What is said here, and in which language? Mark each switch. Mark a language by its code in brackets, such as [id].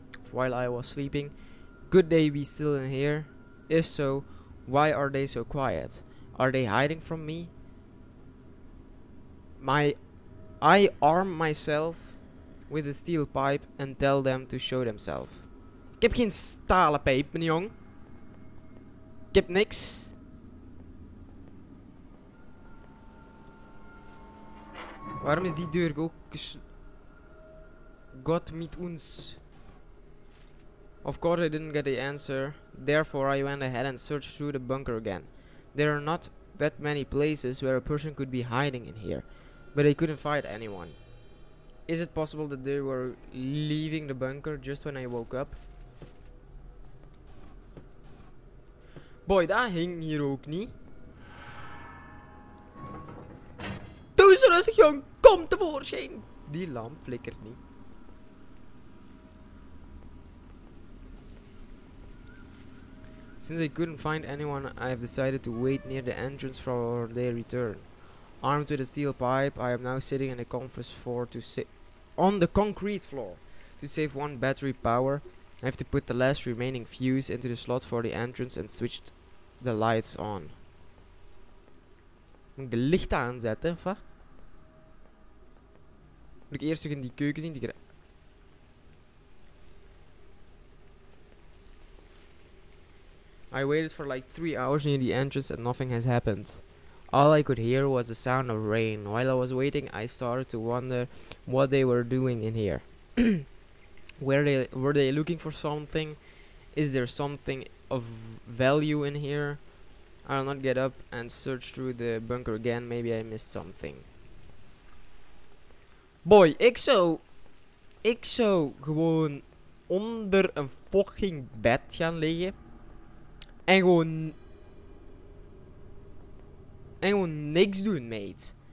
[en] While I was sleeping? Could they be still in here? If so, why are they so quiet? Are they hiding from me? I arm myself with a steel pipe and tell them to show themselves. [nl] Ik heb geen stalen pijp, mijn jong. Ik heb niks. Waarom is die deur ook... God meet ons. [en] Of course I didn't get the answer. Therefore I went ahead and searched through the bunker again. There are not that many places where a person could be hiding in here. But I couldn't find anyone. Is it possible that they were leaving the bunker just when I woke up? [nl] Boy, dat hing hier ook niet. Doe ze rustig, jong. Kom tevoorschijn. Die lamp flikkert niet. [en] Since I couldn't find anyone, I have decided to wait near the entrance for their return. Armed with a steel pipe, I am now sitting in the conference floor to sit on the concrete floor to save one battery power. I have to put the last remaining fuse into the slot for the entrance and switch the lights on. [nl] Moet ik de lichten aanzetten, of wat? Moet ik eerst terug in die keuken zien? [en] I waited for like 3 hours near the entrance and nothing has happened. All I could hear was the sound of rain. While I was waiting, I started to wonder what they were doing in here. were they looking for something? Is there something of value in here? I'll not get up and search through the bunker again. Maybe I missed something. [nl] Boy, ik zou gewoon onder een fucking bed gaan liggen. En gewoon niks doen, mate.